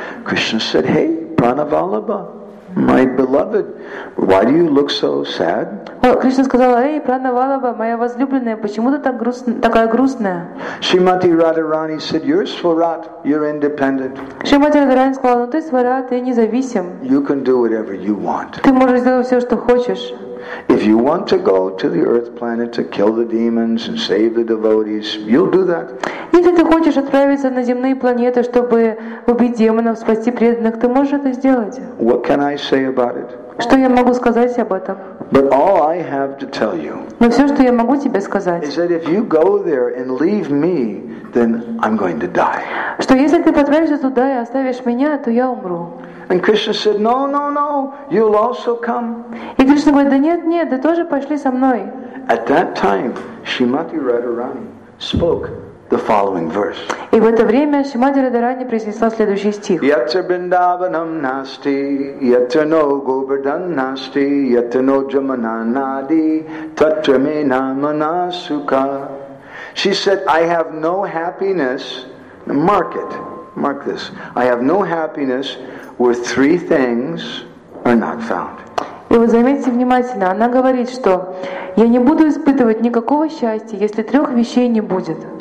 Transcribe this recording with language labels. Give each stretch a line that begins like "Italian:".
English: Krishna said, "Hey, Pranavallabha, my beloved, why do you look so sad?"
Russian: Кришна сказала: "Эй, Пранавалаба, моя возлюбленная, почему ты такая грустная?"
English: Srimati Radharani said, "You're Swarat, you're independent."
Russian: Шримати Радхарани сказала: "Ну ты Сварат, ты независим.
English: You can do whatever you want.
Russian: Ты можешь сделать все, что хочешь."
English: If you want to go to the earth planet to kill the demons and save the devotees, you'll do that.
Russian: Если ты хочешь отправиться на земные планеты, чтобы убить демонов, спасти преданных, ты можешь это сделать.
English: What can I say about it?
Russian: Что я могу сказать об этом?
English: But all I have to tell you.
Russian: Но все, что я могу тебе сказать.
English: Is that if you go there and leave me, then I'm going to die.
Russian: Что если ты отправишься туда и оставишь меня, то я умру.
English: And Krishna said, "No, no, no! You'll also come."
Russian: И Кришна говорит: "Да нет, нет, ты тоже пошли со мной."
English: At that time, Srimati Radharani spoke the following verse.
Russian: И в это время Шримати Радхарани произнесла следующий стих.
Sanskrit: Yatra Vrindavanam nasti, yatra no Govardhan nasti, yatra no Jamana nadi, tatra me namana sukha.
English: She said, "I have no happiness." Mark this. I have no happiness where three things are not found.
Russian: И вы заметьте внимательно, она говорит, что я не буду испытывать никакого счастья, если трех вещей не будет.